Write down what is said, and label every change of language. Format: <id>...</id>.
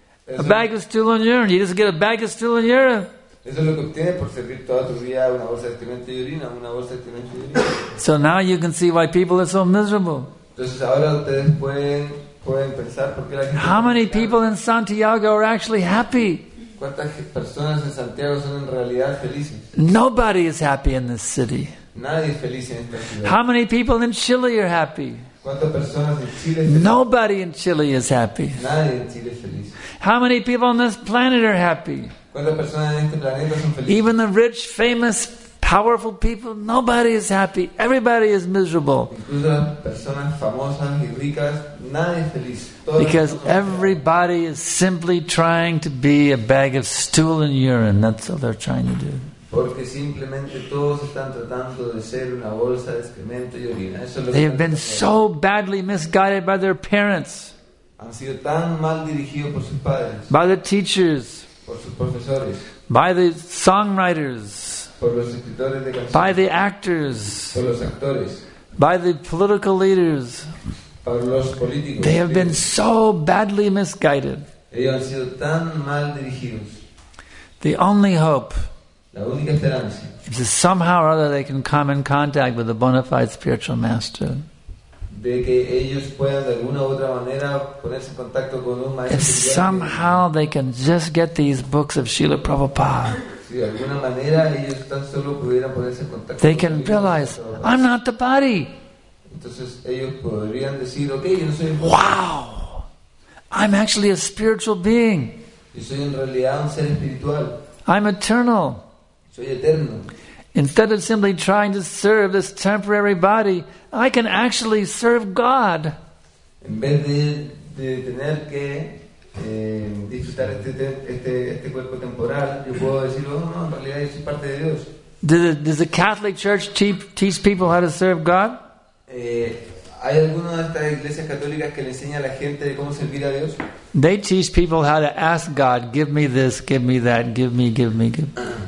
<en>A bag of stool and urine. You just get a bag of stool and urine.</en> <es>Eso es lo que obtienes por servir toda tu vida una bolsa de excremento y orina, una bolsa de excremento y orina.</es> <en>So now you can see why people are so miserable.</en> <es>Entonces ahora ustedes pueden pensar por qué la gente.</es> <en>How many people in Santiago are actually happy?</en> <es>¿Cuántas personas en Santiago son en realidad felices?</es> <en>Nobody is happy in this city.</en> <es>Nadie es feliz en esta ciudad.</es> <en>How many people in Chile are happy?</en> <es>¿Cuántas personas en Chile?</es> <en>Nobody in Chile is happy.</en> <es>Nadie en Chile es feliz.</es> <en>How many people on this planet are happy?</en> <es>¿Cuántas personas en este planeta son felices?</es> <en>Even the rich, famous, powerful people, nobody is happy. Everybody is miserable.</en> <es>Incluso las personas famosas y ricas, nadie es feliz.</es> <en>Because everybody is simply trying to be a bag of stool and urine. That's all they're trying to do.</en> <es>Porque simplemente todos están tratando de ser una bolsa de excremento y orina. Eso es lo</es> <en>They have been so badly misguided by their parents.</en> <es>Han sido tan mal dirigidos por sus padres.</es> <en>By the teachers.</en> <es>Por sus profesores.</es> <en>By the songwriters.</en> <es>Por los escritores de canciones.</es> <en>By the actors.</en> <es>Por los actores.</es> <en>By the political leaders.</en> <es>Por los políticos.</es> <en>They have been so badly misguided.</en> <es>Ellos han sido tan mal dirigidos.</es> <en>The only hope.</en> <es>La única esperanza.</es> <en>Is that somehow or other they can come in contact with a bona fide spiritual master.</en> <es>De que ellos puedan de alguna u otra manera ponerse en contacto con un maestro.</es> <en>If somehow they can just get these books of Srila Prabhupada.</en> <es>Si de alguna manera ellos tan solo pudieran ponerse en contacto.</es> <en>They can realize, I'm not the body.</en> <es>Entonces ellos podrían decir, ok, yo no soy el</es> <en>Wow! I'm actually a spiritual being.</en> <es>Yo soy en realidad un ser espiritual.</es> <en>I'm eternal.</en> <es>Soy eterno.</es> <en>Instead of simply trying to serve this temporary body, I can actually serve God.</en> <es>En vez de tener que disfrutar este cuerpo temporal, yo puedo decir, oh, no, en realidad yo soy parte de Dios.</es> <en>Does the Catholic Church teach people how to serve God?</en> <es>¿Hay alguna de estas iglesias católicas que le enseña a la gente cómo servir a Dios?</es> <en>They teach people how to ask God, give me this, give me that, give me, give me, give me.</en>